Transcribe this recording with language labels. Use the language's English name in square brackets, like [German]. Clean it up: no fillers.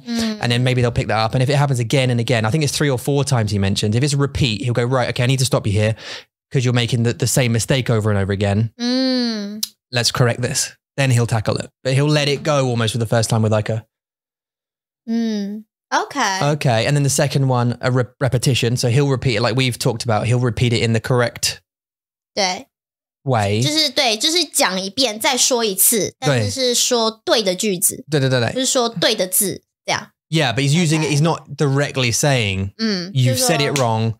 [English] And then maybe they'll pick that up. And if it happens again and again, I think it's three or four times he mentioned, if it's a repeat, he'll go, right, okay, I need to stop you here because you're making the same mistake over and over again. Let's correct this. Then he'll tackle it. But he'll let it go almost for the first time with like a... Okay. And then the second one, a repetition. So he'll repeat it like we've talked about. He'll repeat it in the correct [Chinese] 对 [English] way. [Chinese] 就是对，就是讲一遍，再说一次，但是是说对的句子。对对对对，就是说对的字，这样。 [English] Yeah, but he's using it. He's not directly saying, you've said it wrong.